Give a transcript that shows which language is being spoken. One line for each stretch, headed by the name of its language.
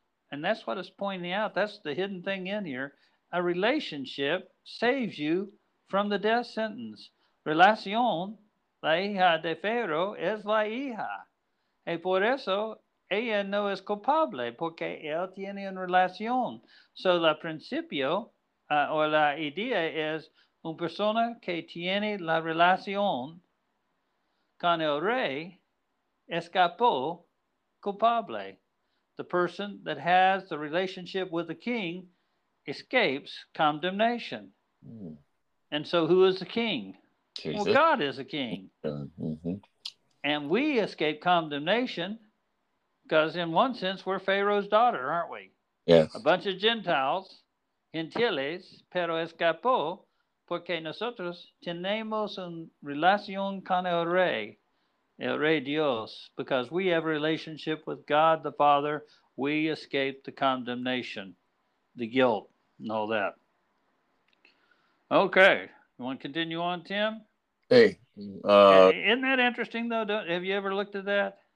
English: And that's what it's pointing out. That's the hidden thing in here. A relationship saves you from the death sentence.
Spanish: Relación, la hija de Pharaoh es la hija. Y por eso, ella no es culpable, porque él tiene una relación. So, la principio, o la idea es, una persona que tiene la relación con el rey escapó culpable.
English: The person that has the relationship with the king escapes condemnation. Mm. And so who is the king? Jesus. Well, God is the king. Mm-hmm. And we escape condemnation because in one sense, we're Pharaoh's daughter, aren't we? Yes. A bunch of Gentiles, gentiles,
Spanish: pero escapó porque nosotros tenemos una relación con el rey. El Rey Dios,
English: because we have a relationship with God the Father, we escape the condemnation, the guilt, and all that. Okay, you want to continue on, Tim? Hey. Isn't that interesting, though? Have you ever looked at that?